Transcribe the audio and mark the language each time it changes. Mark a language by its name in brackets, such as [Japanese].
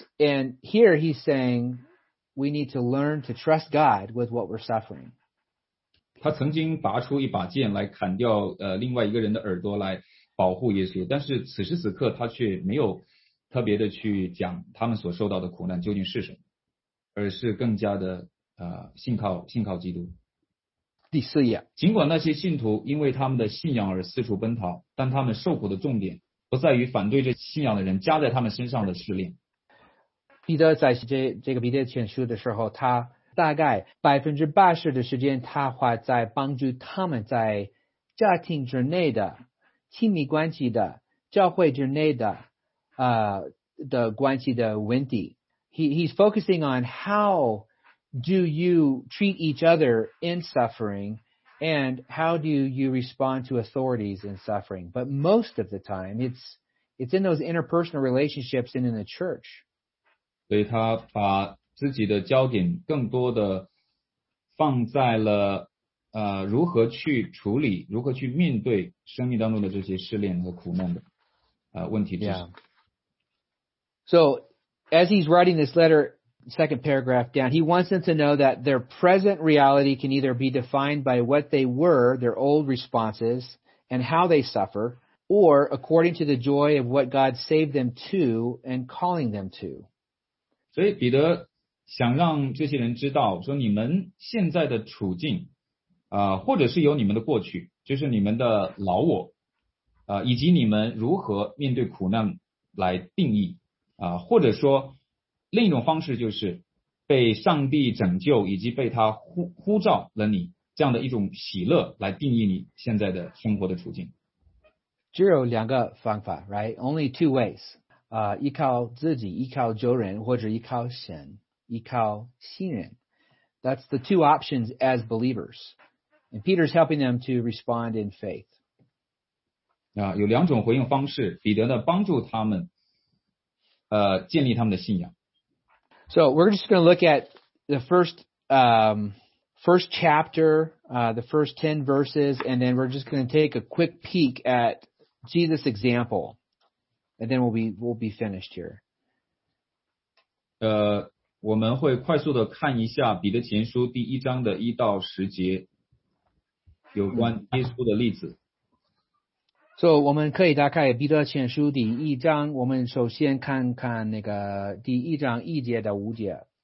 [English] And here he's saying, we need to learn to trust God with what we're suffering. [Chinese] 他曾经拔出一把剑来砍掉另外一个人的耳朵来保护耶稣，但是此时此刻他却没有特别的去讲他们所受到的苦难究竟是什么，而是更加的信靠基督。第四页，尽管那些信徒因为他们的信仰而四处奔逃，但他们受苦的重点不在于反对这信仰的人加在他们身上的试炼。彼得在这个彼得前书的时候，他大概80%的时间，他花在帮助他们在家庭之内的亲密关系的教会之内的的关系的问题。 [English] He's focusing on how do you treat each other in suffering and how do you respond to authorities in suffering. But most of the time, it's in those interpersonal relationships and in the church. [Chinese] 所以他把自己的焦点更多的放在了如何去处理，如何去面对生命当中的这些试炼和苦难的问题之上。 [English] So, as he's writing this letter, second paragraph down, he wants them to know that their present reality can either be defined by what they were, their old responses, and how they suffer, or according to the joy of what God saved them to and calling them to. [Chinese] 所以彼得想让这些人知道说你们现在的处境或者是有你们的过去，就是你们的老我以及你们如何面对苦难来定义或者说另一种方式就是被上帝拯救以及被他呼召了你这样的一种喜乐来定义你现在的生活的处境。只有两个方法 right? [English] Only two ways. [Chinese] 依靠自己依靠救人或者依靠神。依靠信任。 [English] That's the two options as believers. And Peter's helping them to respond in faith. [Chinese] 有两种回应方式，彼得呢帮助他们建立他们的信仰。 [English] So we're just going to look at the first chapter, the first 10 verses, and then we're just going to take a quick peek at Jesus' example, and then we'll be finished here. [Chinese] 我们会快速的看一下彼得前书第一章的一到十节，有关耶稣的例子。 So, 我们可以大概彼得前书第一章，我们首先看看那个第一章一节到五节。